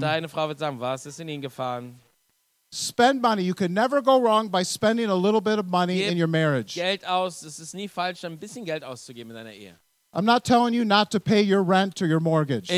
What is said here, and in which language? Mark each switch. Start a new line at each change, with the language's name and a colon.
German: Deine Frau wird sagen, was ist in ihn gefahren?
English: Spend money. You can never go wrong by spending a little bit of money in your marriage.
German: Geld aus. Es ist nie falsch, ein bisschen Geld auszugeben in deiner Ehe.
English: I'm not telling you not to pay your rent or your mortgage.